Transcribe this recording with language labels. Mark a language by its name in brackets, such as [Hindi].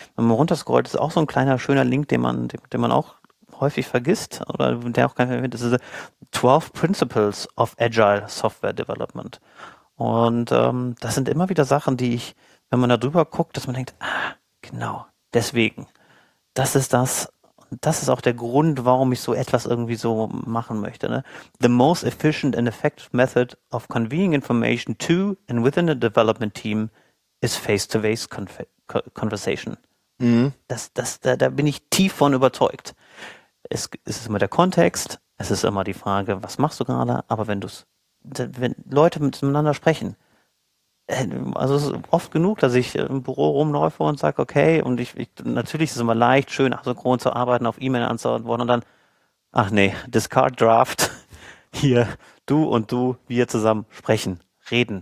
[German] Wenn man runterscrollt, ist auch so ein kleiner, schöner Link, den man auch häufig vergisst, oder der auch gar nicht mehr erwähnt, das ist 12 Principles of Agile Software Development. Und das sind immer wieder Sachen, die ich, wenn man da drüber guckt, dass man denkt, ah, genau, deswegen. Das ist das. Das ist auch der Grund, warum ich so etwas irgendwie so machen möchte. Ne? [English] The most efficient and effective method of conveying information to and within a development team is face-to-face conversation. Mhm. [German] Da bin ich tief von überzeugt. Es ist immer der Kontext, es ist immer die Frage, was machst du gerade, aber wenn Leute miteinander sprechen, also es ist oft genug, dass ich im Büro rumläufe und sage, okay, und ich natürlich ist es immer leicht, schön asynchron zu arbeiten, auf E-Mail anzuantworten und dann, ach nee, Discard Draft, hier, du und du, wir zusammen sprechen, reden.